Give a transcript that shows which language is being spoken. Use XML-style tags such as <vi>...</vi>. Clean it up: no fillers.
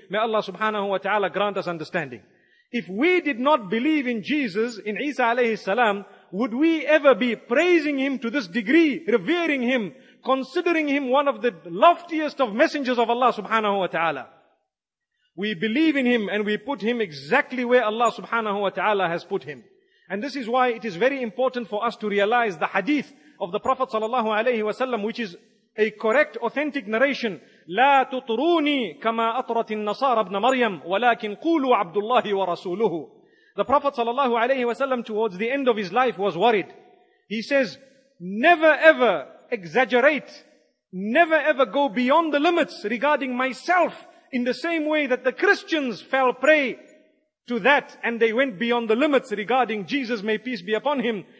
<en>May Allah subhanahu wa ta'ala grant us understanding. If we did not believe in Jesus, in Isa alayhi salam, would we ever be praising Him to this degree, revering Him, considering Him one of the loftiest of messengers of Allah subhanahu wa ta'ala? We believe in Him and we put Him exactly where Allah subhanahu wa ta'ala has put Him. And this is why it is very important for us to realize the hadith of the Prophet sallallahu alayhi wa sallam, which is a correct, authentic narration.</en> <ar>لا تطروني كما أطرت النصارى ابن مريم ولكن قولوا عبد الله ورسوله.</ar> <en>The Prophet sallallahu alayhi wa sallam, towards the end of his life, was worried. He says, never ever exaggerate, never ever go beyond the limits regarding myself in the same way that the Christians fell prey to to that, and they went beyond the limits regarding Jesus, may peace be upon him.</en>